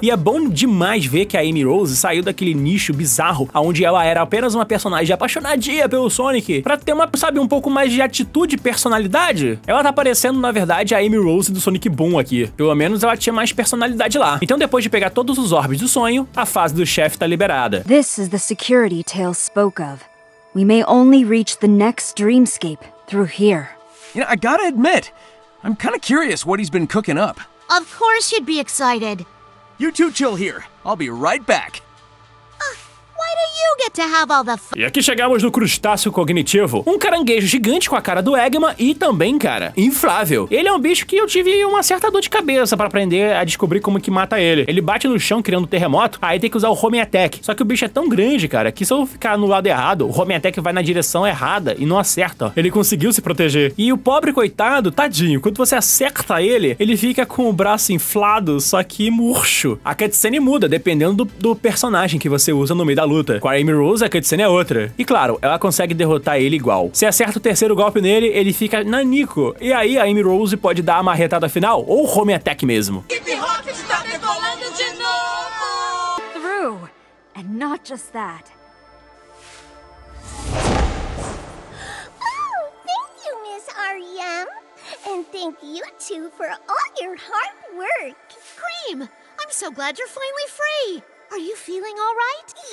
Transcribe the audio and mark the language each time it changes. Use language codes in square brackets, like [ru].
[pt] E é bom demais ver que a Amy Rose saiu daquele nicho bizarro, aonde ela era apenas uma personagem apaixonadinha pelo Sonic, pra ter uma, sabe, um pouco mais de atitude e personalidade. Ela tá parecendo, na verdade, a Amy Rose do Sonic Boom aqui. Pelo menos ela tinha mais personalidade lá. Então, depois de pegar todos os orbes do sonho, a fase do chefe tá liberada. [en] This is the security tale spoken of. We may only reach the next dreamscape through here. You know, I gotta admit, I'm kind of curious what he's been cooking up. Of course you'd be excited. You two chill here. I'll be right back. Why do you get to have all the fun? [pt] E aqui chegamos no crustáceo cognitivo. Um caranguejo gigante com a cara do Eggman e também, cara, inflável. Ele é um bicho que eu tive uma certa dor de cabeça pra aprender a descobrir como que mata ele. Ele bate no chão criando terremoto, aí tem que usar o Home Attack. Só que o bicho é tão grande, cara, que se eu ficar no lado errado, o Home Attack vai na direção errada e não acerta. Ele conseguiu se proteger. E o pobre coitado, tadinho, quando você acerta ele, ele fica com o braço inflado, só que murcho. A cutscene muda, dependendo do personagem que você usa no meio da luta. Com a Amy Rose, a cutscene é outra. E claro, ela consegue derrotar ele igual. Se acerta o terceiro golpe nele, ele fica nanico. E aí a Amy Rose pode dar a marretada final, ou o Home Attack mesmo. Hip-Hop tá decolando de novo! [en] Through, and not just that. Oh, thank you, Miss R.E.M. And thank you too for all your hard work. Cream, I'm so glad you're finally free. Are you feeling all right?